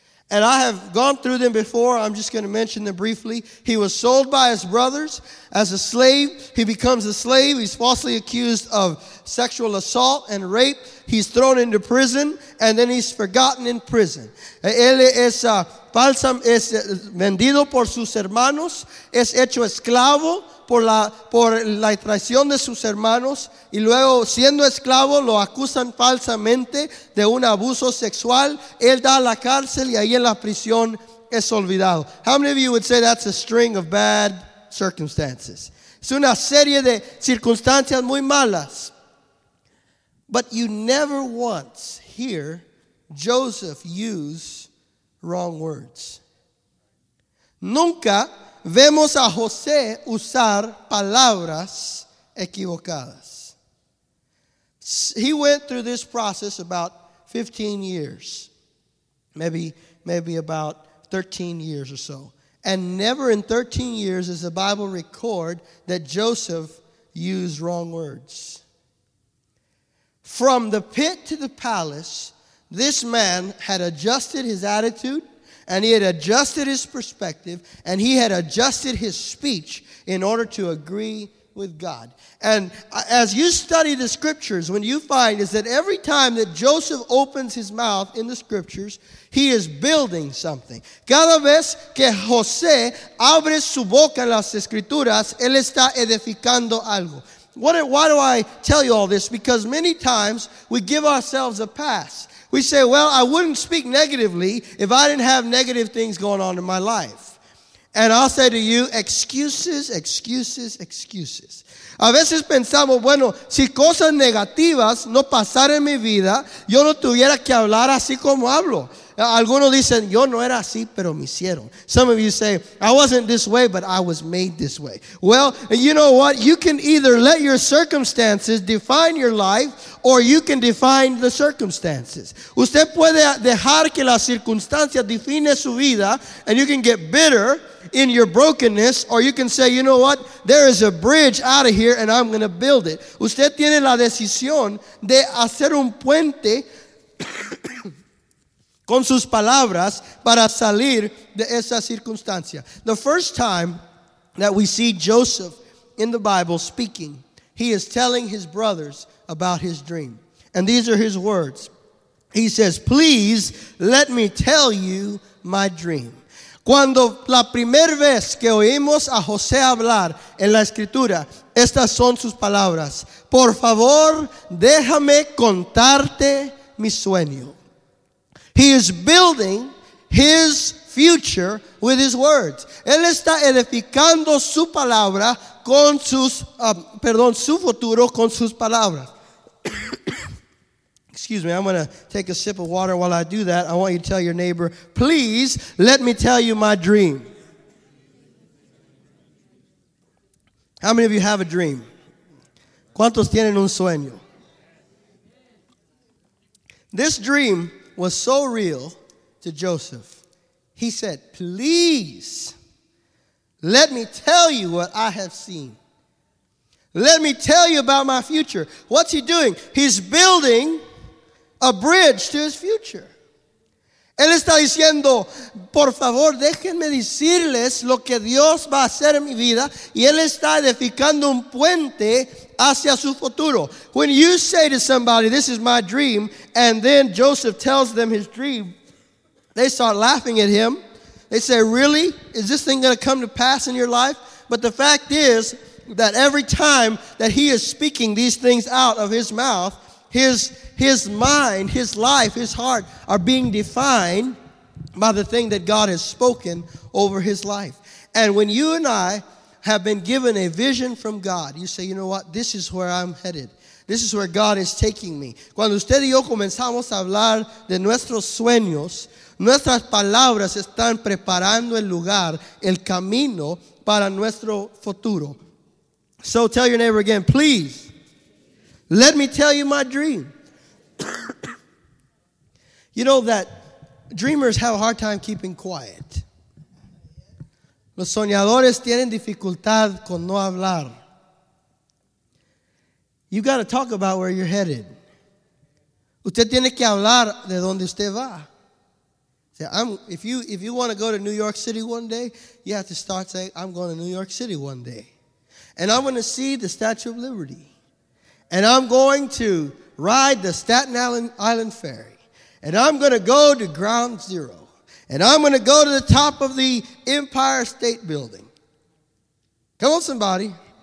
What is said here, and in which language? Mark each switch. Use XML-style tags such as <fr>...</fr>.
<en>And I have gone through them before. I'm just going to mention them briefly. He was sold by his brothers as a slave. He becomes a slave. He's falsely accused of sexual assault and rape. He's thrown into prison, and then he's forgotten in prison.</en> <es>Él es vendido por sus hermanos. Es hecho esclavo por la traición de sus hermanos. Y luego, siendo esclavo, lo acusan falsamente de un abuso sexual. Él da a la cárcel y ahí en la prisión es olvidado.</es> <en>How many of you would say that's a string of bad circumstances?</en> <es>Es una serie de circunstancias muy malas.</es> <en>But you never once hear Joseph use wrong words.</en> <es>Nunca vemos a José usar palabras equivocadas.</es> <en>He went through this process about 15 years, maybe about 13 years or so. And never in 13 years does the Bible record that Joseph used wrong words. From the pit to the palace, this man had adjusted his attitude, and he had adjusted his perspective, and he had adjusted his speech in order to agree with God. And as you study the scriptures, what you find is that every time that Joseph opens his mouth in the scriptures, he is building something. Cada vez que José abre su boca en las escrituras, él está edificando algo. Why do I tell you all this? Because many times we give ourselves a pass. We say, well, I wouldn't speak negatively if I didn't have negative things going on in my life. And I'll say to you, excuses, excuses, excuses.</en> <es>A veces pensamos, bueno, si cosas negativas no pasaran en mi vida, yo no tuviera que hablar así como hablo. Algunos dicen, yo no era así, pero me hicieron.</es> <en>Some of you say, I wasn't this way, but I was made this way. Well, you know what? You can either let your circumstances define your life, or you can define the circumstances.</en> <es>Usted puede dejar que las circunstancias definen su vida,</es> <en>and you can get bitter in your brokenness, or you can say, you know what? There is a bridge out of here, and I'm going to build it.</en> <es>Usted tiene la decisión de hacer un puente con sus palabras para salir de esa circunstancia.</es> <en>The first time that we see Joseph in the Bible speaking, he is telling his brothers about his dream. And these are his words. He says, please let me tell you my dream.</en> <es>Cuando la primera vez que oímos a José hablar en la escritura, estas son sus palabras. Por favor, déjame contarte mi sueño.</es> <en>He is building his future with his words.</en> <es>Él está edificando su palabra con sus, su futuro con sus palabras.</es> <en>Excuse me, I'm going to take a sip of water while I do that. I want you to tell your neighbor, please let me tell you my dream. How many of you have a dream?</en> <es>¿Cuántos tienen un sueño?</es> <en>This dream was so real to Joseph. He said, please let me tell you what I have seen. Let me tell you about my future. What's he doing? He's building a bridge to his future.</en> <es>Él está diciendo, por favor, déjenme decirles lo que Dios va a hacer en mi vida. Y él está edificando un puente hacia su futuro.</es> <en>When you say to somebody, this is my dream, and then Joseph tells them his dream, they start laughing at him. They say, really? Is this thing going to come to pass in your life? But the fact is, that every time that he is speaking these things out of his mouth, his mind, his life, his heart are being defined by the thing that God has spoken over his life. And when you and I have been given a vision from God, you say, you know what? This is where I'm headed. This is where God is taking me.</en> <es>Cuando usted y yo comenzamos a hablar de nuestros sueños, nuestras palabras están preparando el lugar, el camino para nuestro futuro.</es> <en>So tell your neighbor again, please, let me tell you my dream. You know that dreamers have a hard time keeping quiet.</en> <es>Los soñadores tienen dificultad con no hablar.</es> <en>You got to talk about where you're headed.</en> <es>Usted tiene que hablar de donde usted va.</es> <en>If you want to go to New York City one day, you have to start saying, I'm going to New York City one day. And I'm going to see the Statue of Liberty. And I'm going to ride the Staten Island Ferry. And I'm going to go to Ground Zero. And I'm going to go to the top of the Empire State Building. Come on, somebody.</en>